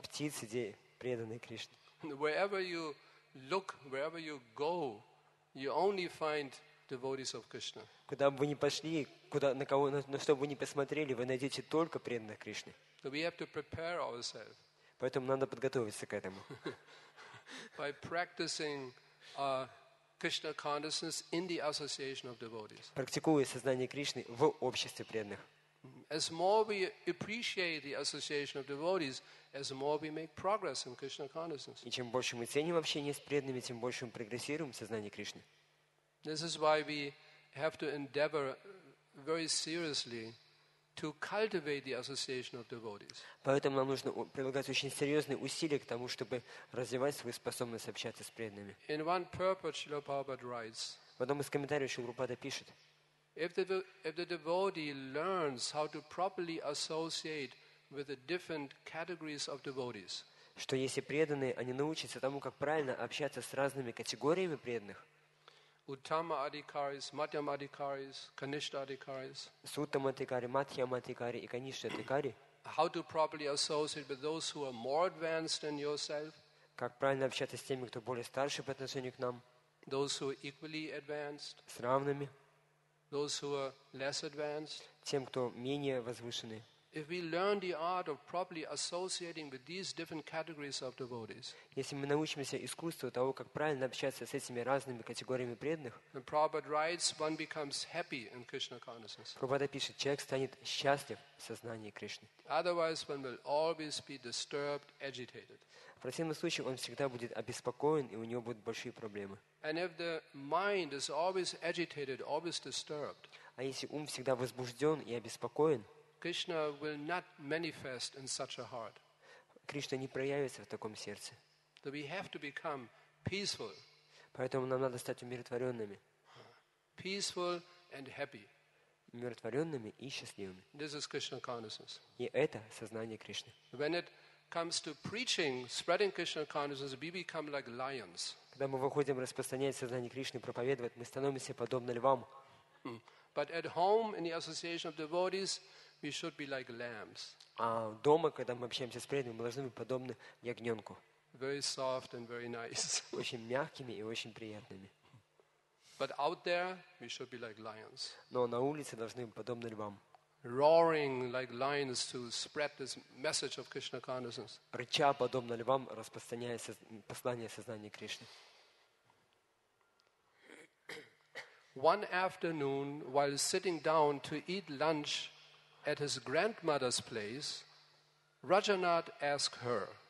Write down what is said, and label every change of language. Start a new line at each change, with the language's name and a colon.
Russian: Птицы преданные Кришне.
English: Wherever you look, wherever you go, you only find devotees of Krishna.
Russian: Куда бы вы ни пошли, куда, на кого, на что бы вы ни посмотрели, вы найдете только преданных Кришны.
English: So we have to prepare ourselves.
Russian: Поэтому надо подготовиться к этому.
English: By practicing Krishna consciousness in the association of devotees.
Russian: Практикуя сознание Кришны в обществе преданных.
English: As more we appreciate the association of devotees, as more we make progress in Krishna consciousness.
Russian: И чем больше мы ценим общение с преданными, тем больше мы прогрессируем в сознании Кришны.
English: This is why we have to endeavor very seriously to cultivate the association of devotees.
Russian: Поэтому нам нужно прилагать очень серьезные усилия к тому, чтобы развивать свою способность общаться с преданными.
English: In one purport, Srila Prabhupada writes.
Russian: В одном из комментариев Шрила Прабхупада пишет.
English: If the devotee learns how to properly associate with the different categories of devotees.
Russian: Что если преданные, они научатся тому, как правильно общаться с разными категориями преданных.
English: Uttama adhikaris, Madhyam adhikaris, Kanishtha adhikaris.
Russian: Suttama adhikari, Madhyam adhikari и Kanishtha adhikari.
English: How to properly associate with those who are more advanced than yourself?
Russian: Как правильно общаться с теми, кто более старше по отношению к нам?
English: Those who are equally advanced.
Russian: С равными.
English: Those who are less advanced.
Russian: Тем, кто менее возвышенный.
English: If we learn the art of properly associating with these different categories of devotees,
Russian: если мы научимся искусству того, как правильно общаться с этими разными категориями преданных,
English: the Prabhupada writes, one becomes happy in Krishna consciousness.
Russian: Прабхупада пишет, человек станет счастлив в сознании Кришны.
English: Otherwise, one will always be disturbed, agitated.
Russian: В противном случае он всегда будет обеспокоен и у него будут большие проблемы.
English: And if the mind is always agitated, always disturbed,
Russian: а если ум всегда возбужден и обеспокоен,
English: Krishna will not manifest in such a heart.
Russian: Кришна не проявится в таком сердце.
English: So we have to become peaceful.
Russian: Поэтому нам надо стать умиротворенными.
English: Peaceful and happy.
Russian: Умиротворенными и счастливыми.
English: This is Krishna consciousness.
Russian: И это сознание Кришны.
English: When it comes to preaching, spreading Krishna consciousness, we become like lions.
Russian: Когда мы выходим распространять сознание Кришны, проповедовать, мы становимся подобно львам.
English: But at home, in the association of devotees, we should be like lambs.
Russian: А дома, когда мы общаемся с преданными, мы должны быть подобны ягненку.
English: Very soft and very nice.
Russian: Очень мягкими и очень приятными.
English: But out there, we should be like lions.
Russian: Но на улице должны быть подобны львам.
English: Roaring like lions to spread this message of Krishna consciousness.
Russian: Рыча подобно львам, распространяя послание сознания Кришны.
English: One afternoon, while sitting down to eat lunch at his grandmother's place, Rajanath asked her.